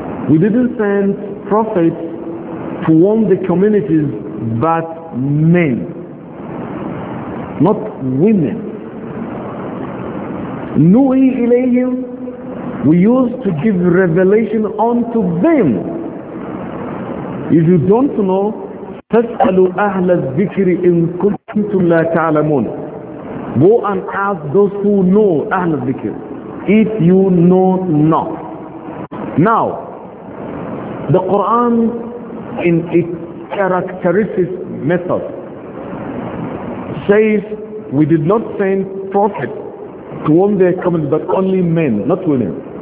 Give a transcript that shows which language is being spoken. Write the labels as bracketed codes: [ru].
[en] We didn't send prophets to warn the communities, but men, not women. [ar] نُوحِي إِلَيْهِمْ, [en] we used to give revelation unto them. If you don't know, [ar] فَاسْأَلُوا أَهْلَ الذِّكْرِ إِن كُنْتُمْ لَا تَعْلَمُونَ. [en] Go and ask those who know [ar] أهل الذكر, [en] if you know not. Now, the Quran in its characteristic method says, we did not send prophets to warn their community, but only men, not women.